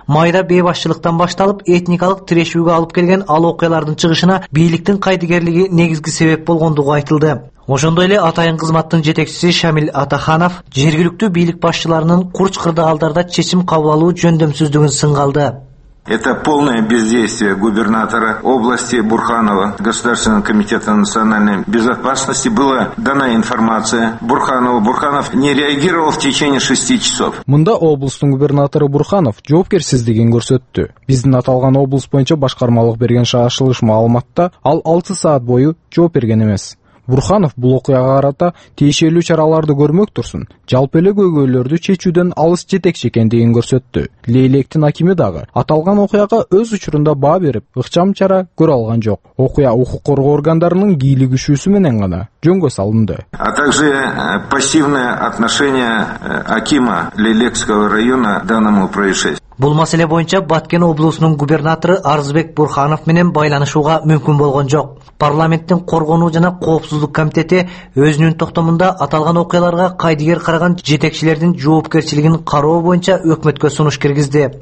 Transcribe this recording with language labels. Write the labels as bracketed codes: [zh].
[ky] Майда бейбашчылыктан башталып этникалык тирешүүгө алып келген ал окуялардын чыгышына бийликтин кайдыгерлиги негизги себеп болгондугу айтылды. Ошондой эле атайын кызматтын жетекчиси Шамил Атаханов жергиликтүү бийлик башчыларынын курч кырдаалдарда чечим кабыл алуу жөндөмсүздүгүн сынгалды. [ru] Это полное бездействие губернатора области Бурханова, Государственного комитета национальной безопасности. Была дана информация Бурханову. Бурханов не реагировал в течение 6 часов. [ky] Мында облыстын губернатору Бурханов жоопкерсиздигин көрсөттү. Биздин аталган облыс боюнча башкармалык берген шашылыш маалыматта ал 6 саат бою жооп берген эмес. Бурханов бул окуяга карата тиешелүү чараларды көрмөк турсун, жалпы эле көйгөйлөрдү чечүүдөн алыс жетекчи экендигин көрсөттү. Лейлектин акими дагы аталган окуяга өз учурунда баа берип, ыкчам чара көрө алган жок. Окуя укук коргоо органдарынын кийлигишүүсү менен гана жөнгө салынды. [ru] А также пассивное отношение акима Лейлекского района данному происшествию. [ky] Бул маселе боюнча Баткен облусунун губернатору Арзбек Бурханов менен байланышууга мүмкүн болгон жок. Парламенттин коргонуу жана коопсуздук комитети өзүнүн токтомунда аталган окуяларга кайдыгер караган жетекчилердин жоопкерчилигин кароо боюнча өкмөткө сунуш киргизди.